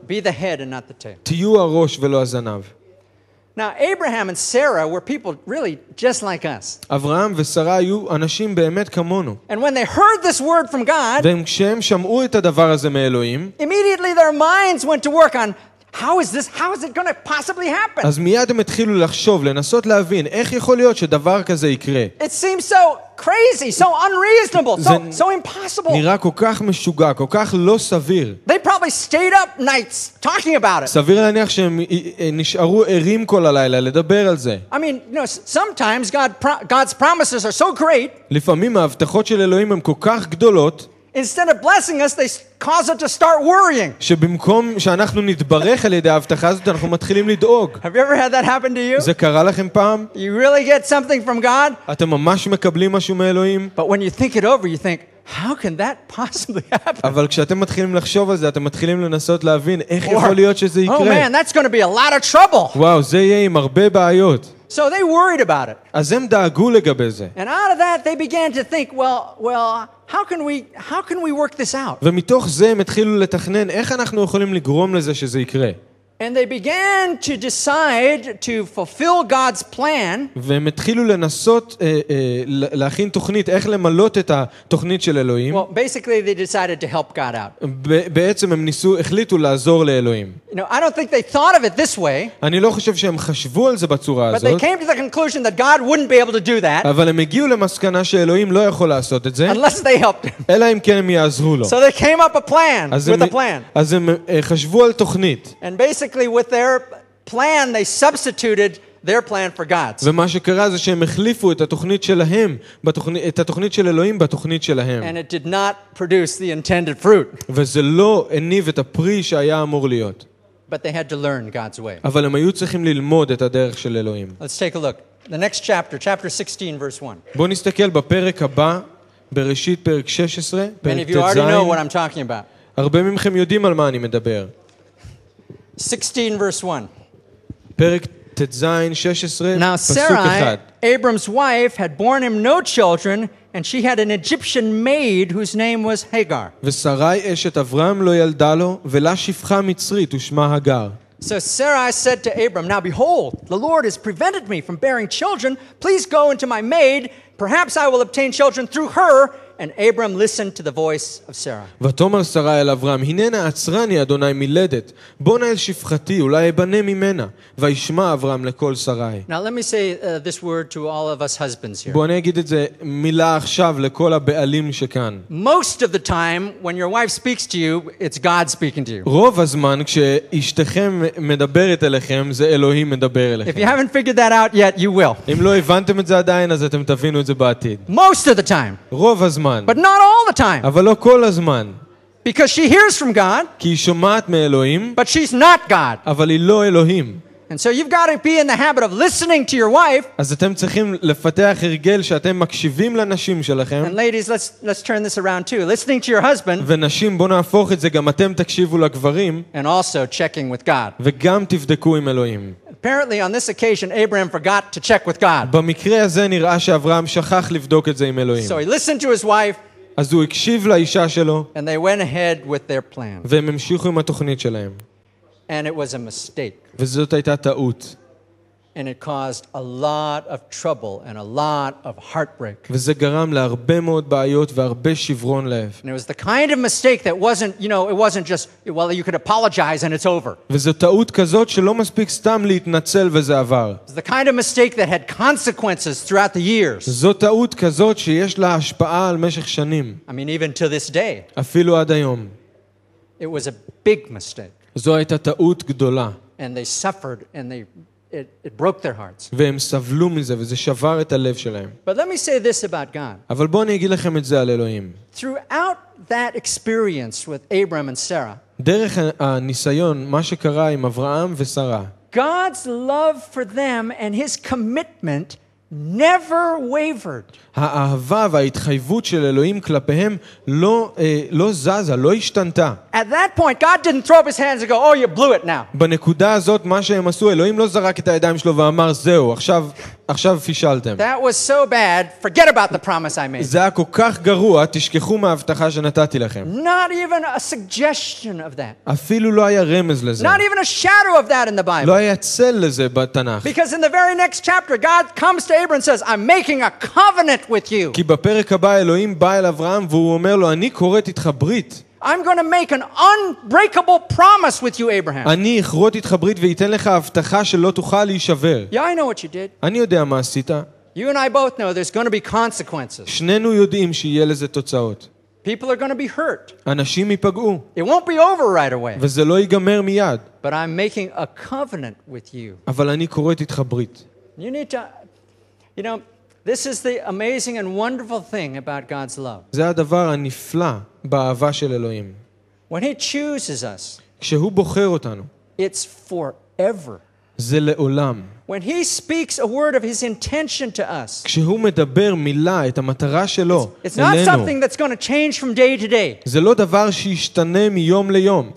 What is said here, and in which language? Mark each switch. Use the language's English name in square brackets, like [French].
[English] Be the head and not the tail. [Hebrew] תהיו הראש ולא הזנב. [English] Now Abraham and Sarah were people really just like us. [Hebrew] אברהם ושרה היו אנשים באמת כמונו. [English] And when they heard this word from God, [Hebrew] והם כשהם שמעו את הדבר הזה מאלוהים, [English] immediately their minds went to work on How is this? How is it going to possibly happen? [Hebrew] אז מיד הם התחילו לחשוב, לנסות להבין, איך יכול להיות שדבר כזה יקרה? [English] It seems so crazy, so unreasonable, so impossible. [Hebrew] נראה כל כך משוגע, כל כך לא סביר. [English] They probably stayed up nights talking about it. [Hebrew] סביר להניח שהם נשארו ערים כל הלילה לדבר על זה. [English] I mean, you know, sometimes God's promises are so great. [Hebrew] לפעמים ההבטחות של אלוהים הם כל כך גדולות. [English] Instead of blessing us, they cause us to start worrying. [Hebrew] שבמקום שאנחנו נתברך על ידי ההבטחה הזאת, אנחנו מתחילים לדאוג. [English] Have you ever had that happen to you? [Hebrew] זה קרה לכם פעם? [English] You really get something from God? [Hebrew] אתם ממש מקבלים משהו מאלוהים? [English] But when you think it over, you think, how can that possibly happen? [Hebrew] אבל כשאתם מתחילים לחשוב על זה, אתם מתחילים לנסות להבין איך יכול להיות שזה יקרה. [English] Oh man, that's going to be a lot of trouble. [Hebrew] וואו, זה יהיה עם הרבה בעיות. [English] So they worried about it. [Hebrew] אז הם דאגו לגבי זה. [English] And out of that, they began to think, well, how can we work this out? [Hebrew] ומתוך זה הם התחילו לתכנן איך אנחנו יכולים לגרום לזה שזה יקרה. [English] And they began to decide to fulfill God's plan. [Hebrew] והם התחילו לנסות להכין תוכנית איך למלות את התוכנית של אלוהים. [English] Well, basically they decided to help God out. [Hebrew] בעצם הם ניסו החליטו לעזור לאלוהים. [English] You know, I don't think they thought of it this way. [Hebrew] אני לא חושב שהם חשבו על זה בצורה הזאת. [English] But they came to the conclusion that God wouldn't be able to do that. [Hebrew] אבל הם הגיעו למסקנה שאלוהים לא יכול לעשות את זה. [English] Unless they helped him. [Hebrew] אלא אם כן הם יעזרו לו. [English] So they came up a plan with a plan. [Hebrew] אז הם חשבו על תוכנית. [English] And basically with their plan they substituted their plan for God's. [Hebrew] ומה שקרה זה שהם החליפו את התוכנית שלהם בתוכנית את התוכנית של אלוהים בתוכנית שלהם. [English] And it did not produce the intended fruit. [Hebrew] וזה לא הניב את הפרי שהיה אמור להיות. [English] But they had to learn God's way. [Hebrew] אבל הם היו צריכים ללמוד את הדרך של אלוהים. [English] Let's take a look. The next chapter, chapter 16 verse 1. [Hebrew] בוא נסתכל בפרק הבא בראשית פרק 16, פרק 16. [English] And if you already know what I'm talking about. [Hebrew] הרבה מכם יודעים על מה אני מדבר. [English] 16 verse 1. [Hebrew] פרק תזיין 16 פסוק 1. [English] Now Sarai, Abram's wife, had borne him no children, and she had an Egyptian maid whose name was Hagar. [Hebrew] ושרי אשת אברהם לא ילדה לו, ולה שפחה מצרית ושמה הגר. [English] So Sarai said to Abram, "Now behold, the Lord has prevented me from bearing children. Please go into my maid, perhaps I will obtain children through her." And Abram listened to the voice of Sarah. [Hebrew] ותאמר שרה אל אברהם, הננה עצרני אדוני מלדת, בוא נא אל שפחתי, אולי אבנה ממנה. וישמע אברהם לקול שרי. [English] Now let me say this word to all of us husbands here. [Hebrew] בוא נגיד את זה מילה עכשיו לכל הבעלים שכאן. [English] Most of the time when your wife speaks to you, it's God speaking to you. [Hebrew] רוב הזמן כשאשתכם מדברת אליכם, זה אלוהים מדבר אליכם. [English] If you haven't figured that out yet, you will. [Hebrew] אם לא הבנתם את זה עדיין, אז אתם תבינו את זה בעתיד. [English] Most of the time. [Hebrew] רוב הזמן. [English] But not all the time. [Hebrew] אבל לא כל הזמן. [English] Because she hears from God. [Hebrew] כי היא שומעת מאלוהים. [English] But she's not God. [Hebrew] אבל היא לא אלוהים. [English] And so you've got to be in the habit of listening to your wife. [Hebrew] אז אתם צריכים לפתח הרגל שאתם מקשיבים לנשים שלכם. [English] And ladies, let's turn this around too. Listening to your husband. [Hebrew] ונשים, בוא נהפוך את זה, גם אתם תקשיבו לגברים. [English] And also checking with God. [Hebrew] וגם תבדקו עם אלוהים. [English] Apparently on this occasion Abraham forgot to check with God. [Hebrew] במקרה הזה נראה שאברהם שכח לבדוק את זה עם אלוהים. [English] So he listened to his wife. [Hebrew] אז הוא הקשיב לאישה שלו. [English] And they went ahead with their plan. [Hebrew] והם המשיכו עם התוכנית שלהם. [English] And it was a mistake. [Hebrew] וזאת הייתה טעות. [English] And it caused a lot of trouble and a lot of heartbreak. [Hebrew] וזה גרם להרבה מאוד בעיות והרבה שברון לב. [English] And it was the kind of mistake that wasn't, you know, it wasn't just, well, you could apologize and it's over. [Hebrew] וזו טעות כזאת שלא מספיק סתם להתנצל וזה עבר. [English] It was the kind of mistake that had consequences throughout the years. [Hebrew] זו טעות כזאת שיש לה השפעה על משך שנים. [English] I mean, even to this day. [Hebrew] אפילו עד היום. [English] It was a big mistake. [Hebrew] זו הייתה טעות גדולה. [English] And they suffered and they... It broke their hearts. [Hebrew] והם סבלו מזה, וזה שבר את הלב שלהם. [English] But let me say this about God. [Hebrew] אבל בוא אני אגיד לכם את זה על אלוהים. [English] Throughout that experience with Abraham and Sarah. [Hebrew] דרך הניסיון, מה שקרה עם אברהם ושרה. [English] God's love for them and his commitment never wavered. [Hebrew] האהבה וההתחייבות של אלוהים כלפיהם לא זזה, לא השתנתה. [English] At that point God didn't throw up his hands and go, "Oh, you blew it now." [Hebrew] בנקודה הזאת מה שהם עשו, אלוהים לא זרק את הידיים שלו ואמר, "זהו, עכשיו פישלתם." [English] That was so bad. Forget about the promise I made. [Hebrew] זה היה כל כך גרוע, תשכחו מההבטחה שנתתי לכם. [English] Not even a suggestion of that. [Hebrew] אפילו לא היה רמז לזה. [English] Not even a shadow of that in the Bible. [Hebrew] לא היה צל לזה בתנך. [English] Because in the very next chapter God comes to Abraham and says, "I'm making a covenant with you." [Hebrew] כי בפרק הבא אלוהים בא אל אברהם והוא אומר לו, "אני קוראת איתך ברית." [English] I'm going to make an unbreakable promise with you, Abraham. [Hebrew] אני אכרות איתך ברית ואתן לך הבטחה שלא תוכל להישבר. [English] Yeah, I know what you did. [Hebrew] אני יודע מה עשית. [English] You and I both know there's going to be consequences. [Hebrew] שנינו יודעים שיהיה לזה תוצאות. [English] People are going to be hurt. [Hebrew] אנשים ייפגעו. [English] It won't be over right away. [Hebrew] וזה לא ייגמר מיד. [English] But I'm making a covenant with you. [Hebrew] אבל אני כורת איתך ברית. [English] You need to, you know, this is the amazing and wonderful thing about God's love. [Hebrew] זה הדבר הנפלא באהבה של אלוהים. [English] When he chooses us, [Hebrew] כשהוא בוחר אותנו, [English] it's forever. [Hebrew] זה לעולם. [English] When he speaks a word of his intention to us, [Hebrew] כשהוא מדבר מילה את המטרה שלו אלינו, [English] it's not something that's going to change from day to day. [Hebrew] זה לא דבר שישתנה מיום ליום.